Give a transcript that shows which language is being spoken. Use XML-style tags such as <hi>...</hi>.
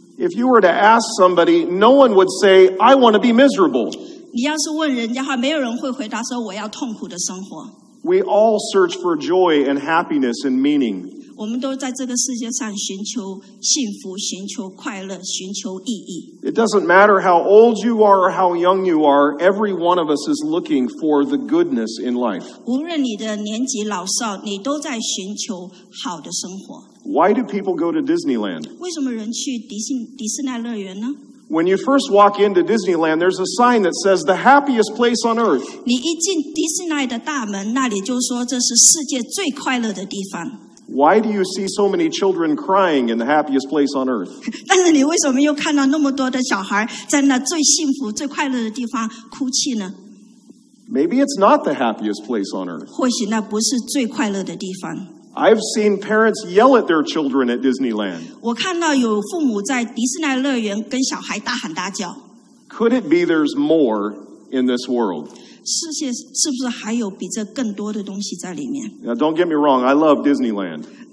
<en>If you were to ask somebody, no one would say, I want to be miserable.</en> <zh>你要是问人家话，没有人会回答说我要痛苦的生活。</zh> <en>We all search for joy and happiness and meaning.</en> <zh>我们都在这个世界上寻求幸福，寻求快乐，寻求意义。</zh> <en>It doesn't matter how old you are or how young you are, every one of us is looking for the goodness in life.</en> <zh>无论你的年纪老少，你都在寻求好的生活。</zh> <en>Why do people go to Disneyland?</en> <zh>为什么人去迪士尼乐园呢？</zh> <en>When you first walk into Disneyland, there's a sign that says the happiest place on earth.</en> <zh>你一进迪士尼的大门，那里就说这是世界最快乐的地方。</zh> <en>Why do you see so many children crying in the happiest place on earth?</en> <zh>但是你为什么又看到那么多的小孩在那最幸福、最快乐的地方哭泣呢？</zh> <en>Maybe it's not the happiest place on earth.</en> <zh>或许那不是最快乐的地方。</zh> <en>I've seen parents yell at their children at Disneyland.</en> <zh>我看到有父母在迪士尼乐园跟小孩大喊大叫。</zh> <en>Could it be there's more in this world?</en> <zh>是不是还有比这更多的东西在里面？</zh> <en>Now, don't get me wrong, I love Disneyland.</en>